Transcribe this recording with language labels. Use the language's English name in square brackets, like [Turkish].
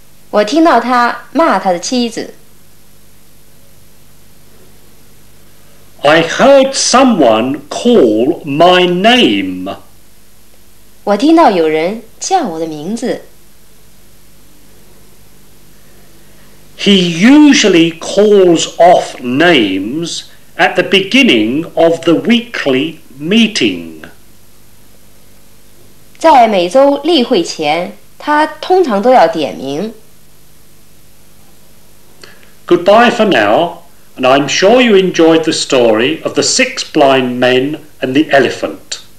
[Chinese] 我听到他骂他的妻子。 [English] I heard someone call my name. [Chinese] 我听到有人叫我的名字。 [English] He usually calls off names at the beginning of the weekly meeting. [Chinese] 在每周例会前，他通常都要点名。 [English] Goodbye for now, and I'm sure you enjoyed the story of the six blind men and the elephant.